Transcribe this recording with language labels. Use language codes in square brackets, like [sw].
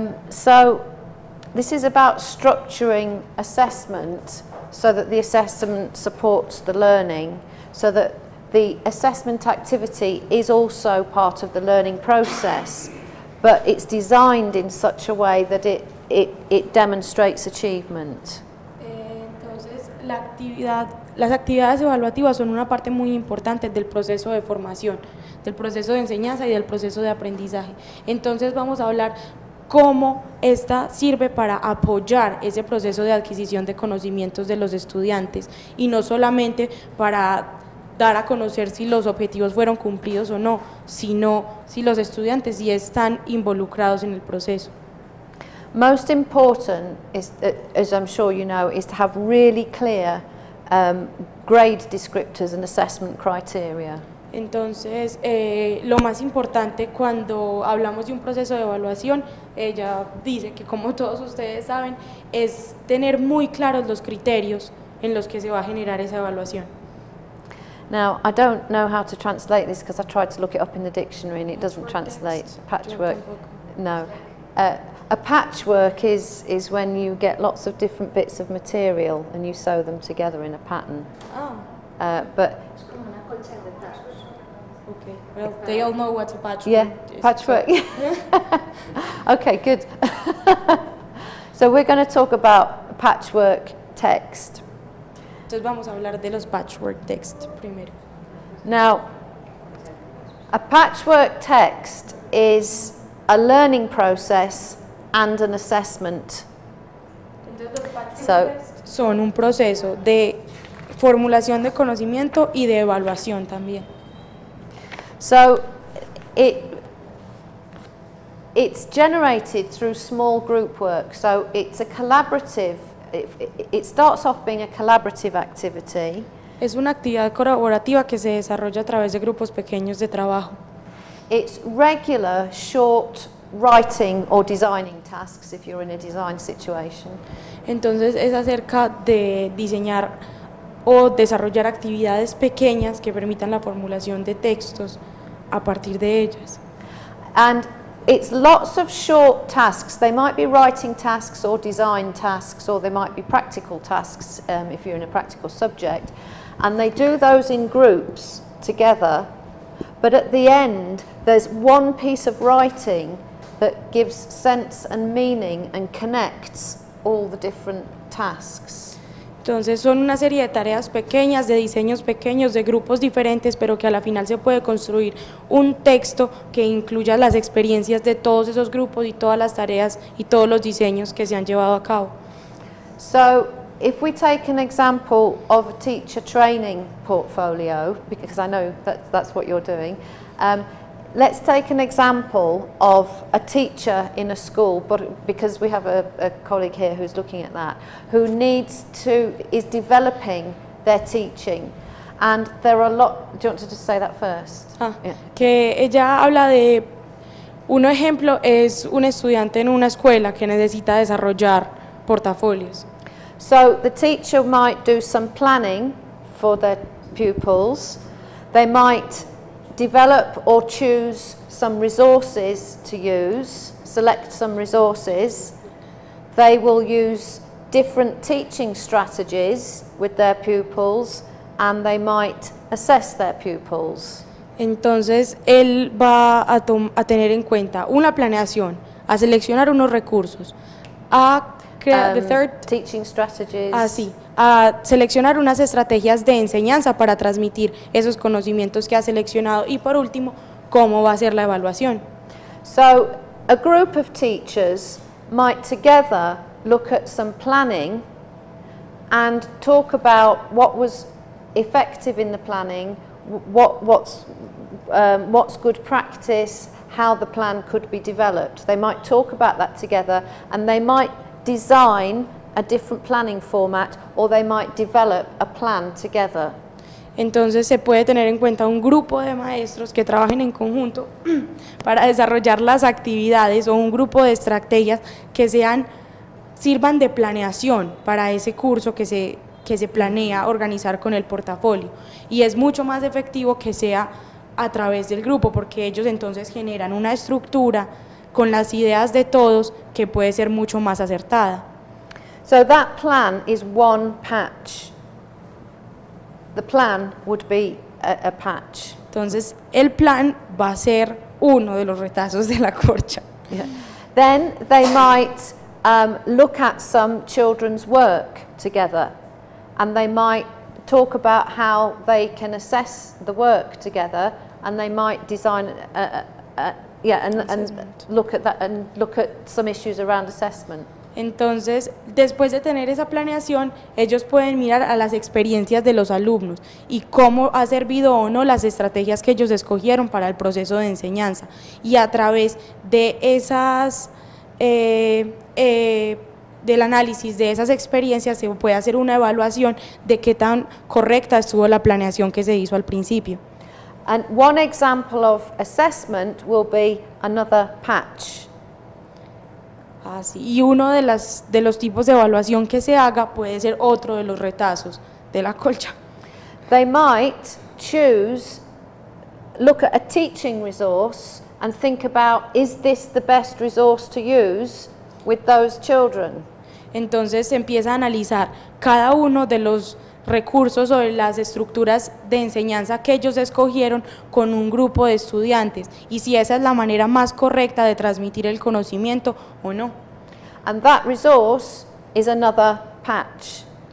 [en] So, this is about structuring assessment so that the assessment supports the learning, so that the assessment activity is also part of the learning process, but it's designed in such a way that it demonstrates achievement. [es] Entonces, las actividades evaluativas son una parte muy importante del proceso de formación, del proceso de enseñanza y del proceso de aprendizaje. Entonces, vamos a hablar cómo esta sirve para apoyar ese proceso de adquisición de conocimientos de los estudiantes, y no solamente para dar a conocer si los objetivos fueron cumplidos o no, sino si los estudiantes sí están involucrados en el proceso. [en] Most important is, as I'm sure you know, is to have really clear grade descriptors and assessment criteria. [es] Entonces, lo más importante cuando hablamos de un proceso de evaluación, ella dice que como todos ustedes saben, es tener muy claros los criterios en los que se va a generar esa evaluación. [en] Now, I don't know how to translate this because I tried to look it up in the dictionary and it doesn't translate. Patchwork. No. A patchwork is when you get lots of different bits of material and you sew them together in a pattern. Oh. But okay, well, they all know what a patchwork is. Patchwork. Okay, good. So we're going to talk about patchwork text. [es] Entonces vamos a hablar de los patchwork text primero. [en] Now, a patchwork text is a learning process and an assessment. [es] Entonces los patchwork son un proceso de formulación de conocimiento y de evaluación también. [en] So, it's generated through small group work. So, it's a collaborative, it starts off being a collaborative activity. [es] Es una actividad colaborativa que se desarrolla a través de grupos pequeños de trabajo. [en] It's regular, short writing or designing tasks if you're in a design situation. [es] Entonces, es acerca de diseñar o desarrollar actividades pequeñas que permitan la formulación de textos a partir de ellas. [en] And it's lots of short tasks. They might be writing tasks or design tasks, or they might be practical tasks if you're in a practical subject. And they do those in groups together, but at the end there's one piece of writing that gives sense and meaning and connects all the different tasks. [es] Entonces son una serie de tareas pequeñas, de diseños pequeños, de grupos diferentes, pero que a la final se puede construir un texto que incluya las experiencias de todos esos grupos y todas las tareas y todos los diseños que se han llevado a cabo. [en] So, if we take an example of a teacher training portfolio, because I know that's what you're doing, let's take an example of a teacher in a school, but because we have a colleague here who's looking at that, who needs to, is developing their teaching. And there are a lot, do you want to just say that first? Yeah. [es] Que ella habla de, un ejemplo es un estudiante en una escuela que necesita desarrollar portafolios. [en] So the teacher might do some planning for their pupils. They might develop or choose some resources to use, select some resources. They will use different teaching strategies with their pupils and they might assess their pupils. [es] Entonces, él va a tener en cuenta una planeación, a seleccionar unos recursos, a crear [en] teaching strategies. [es] Así. A seleccionar unas estrategias de enseñanza para transmitir esos conocimientos que ha seleccionado y por último, cómo va a ser la evaluación. [en] So, a group of teachers might together look at some planning and talk about what was effective in the planning, what's good practice, how the plan could be developed. They might talk about that together and they might design a different planning format, or they might develop a plan together. [es] Entonces se puede tener en cuenta un grupo de maestros que trabajen en conjunto para desarrollar las actividades o un grupo de estrategias que sean sirvan de planeación para ese curso que se planea organizar con el portafolio. Y es mucho más efectivo que sea a través del grupo porque ellos entonces generan una estructura con las ideas de todos que puede ser mucho más acertada. [en] So that plan is one patch. The plan would be a patch. [es] Entonces, el plan va a ser uno de los retazos de la corcha. [en] Yeah. Then they might look at some children's work together and they might talk about how they can assess the work together and they might design and look at some issues around assessment. [es] Entonces, después de tener esa planeación, ellos pueden mirar a las experiencias de los alumnos y cómo ha servido o no las estrategias que ellos escogieron para el proceso de enseñanza. Y a través de esas, del análisis de esas experiencias, se puede hacer una evaluación de qué tan correcta estuvo la planeación que se hizo al principio. [en] And one example of assessment will be another patch. [es] Así, y uno de los tipos de evaluación que se haga puede ser otro de los retazos de la colcha. [en] They might choose, look at a teaching resource and think about, is this the best resource to use with those children? [es] Entonces se empieza a analizar cada uno de los recursos o de las estructuras de enseñanza que ellos escogieron con un grupo de estudiantes y si esa es la manera más correcta de transmitir el conocimiento o no. [en] And that resource is another patch.